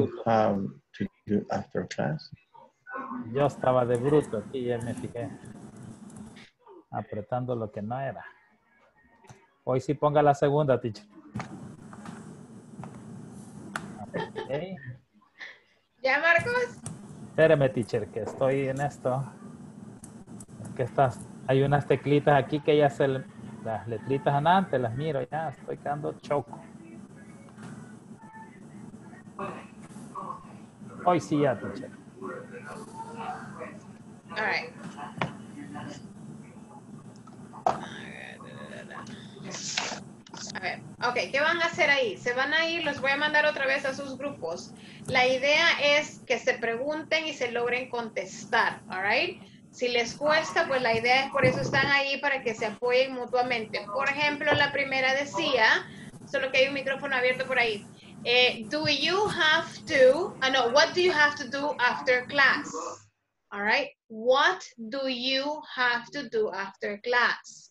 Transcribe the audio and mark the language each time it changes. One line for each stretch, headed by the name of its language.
English: What do you have to do after class?
Spanish: Yo estaba de bruto aquí, ya me fijé. Apretando lo que no era. Hoy sí ponga la segunda, teacher. Okay. ¿Ya, Marcos? Espéreme, teacher, que estoy en esto. Es que estas, hay unas teclitas aquí que ya se... Las letritas anantes, las miro ya. Estoy quedando choco. Hoy sí ya, teacher.
English: All right.
Spanish: A ver, ok, ¿qué van a hacer ahí? Se van a ir, los voy a mandar otra vez a sus grupos. La idea es que se pregunten y se logren contestar,
English: all right?
Spanish: Si les cuesta, pues la idea es por eso están ahí, para que se apoyen mutuamente. Por ejemplo, la primera decía, solo que hay un micrófono abierto por ahí.
English: Do you have to, no, what do you have to do after class? All right. What do you have to do after class?